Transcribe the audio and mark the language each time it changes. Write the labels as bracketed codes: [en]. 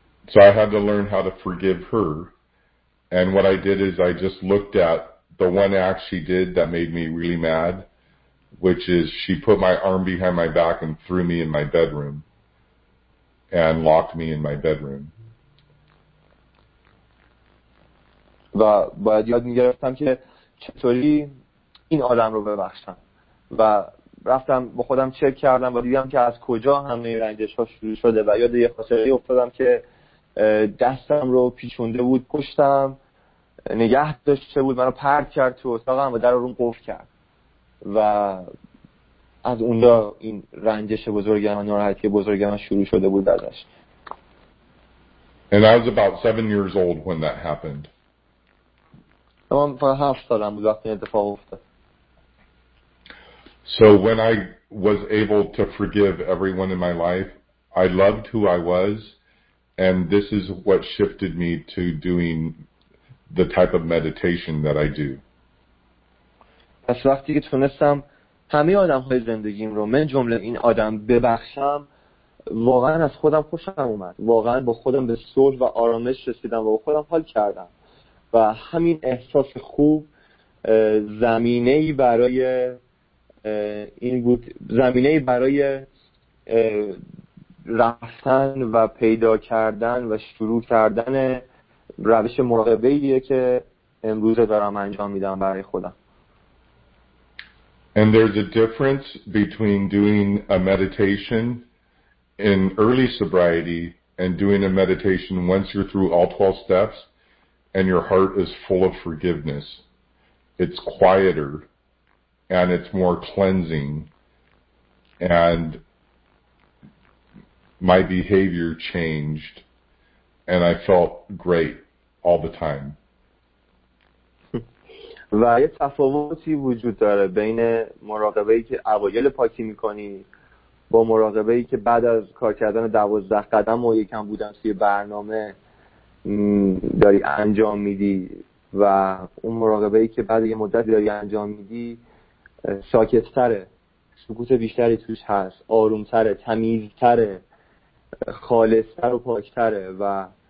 [en] So I had to learn how to forgive her, and what I did is I just looked at the one act she did that made me really mad, which is she put my arm behind my back and threw me in my bedroom and locked me in my bedroom. [fa] و باید یاد میگرفتم که چطوری این آدم رو ببخشم و رفتم با خودم چک کردم و دیدم که از کجا همه رنجش ها شروع شده و یاد یه خاطره افتادم که دستم رو پیچونده بود پشتم نگه داشته بود منو پرت کرد تو اتاقم و در رو قفل کرد و از اونجا این رنجش بزرگی من ناراحتی بزرگی من شروع شده بود ازش. [en] And I was about 7 years old when that happened. [fa] من فقط 7 سالم بود وقتی اتفاق افتاد. [en] So when I was able to forgive everyone in my life, I loved who I was. And this is what shifted me to doing the type of meditation that I do. [fa] پس وقتی که تونستم همه آدم‌های زندگیم رو من جمله این آدم ببخشم واقعا از خودم خوشم اومد. واقعا با خودم به صلح و آرامش رسیدم و با خودم حال کردم. و همین احساس خوب زمینه‌ای برای این بود زمینه‌ای برای رفتن و پیدا کردن و شروع کردن روش مراقبه‌ایه که امروز دارم انجام میدم برای خودم. [en] And there's a difference between doing a meditation in early sobriety and doing a meditation once you're through all 12 steps and your heart is full of forgiveness. It's quieter and it's more cleansing and my behavior changed and I felt great all the time. [fa] و یه تفاوتی وجود داره بین مراقبه‌ای که اوایل پاکی می‌کنی با مراقبه‌ای که بعد از کار کردن 12 قدم و یکم بودن توی برنامه داری انجام میدی و اون مراقبه‌ای که بعد یه مدت داری انجام میدی ساکت‌تره، سکوت بیشتری توش هست، آروم‌تره، تمیزتره، خالص‌تر و پاک‌تره و